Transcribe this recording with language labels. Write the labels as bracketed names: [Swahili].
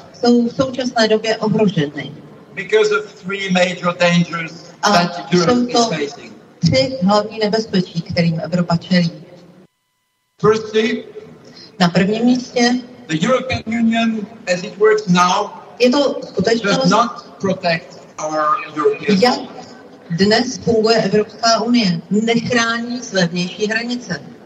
[Czech] jsou v současné době ohroženy, [English] because of three major dangers that Europe is facing. [Czech] Tři hlavní nebezpečí, kterým Evropa čelí. [English] Firstly, [Czech] na prvním místě, [English] the European Union, as it works now, [Czech] je to skutečnost, [English] does not protect our European. [Czech] Dnes funguje Evropská unie, nechrání své vnější hranice.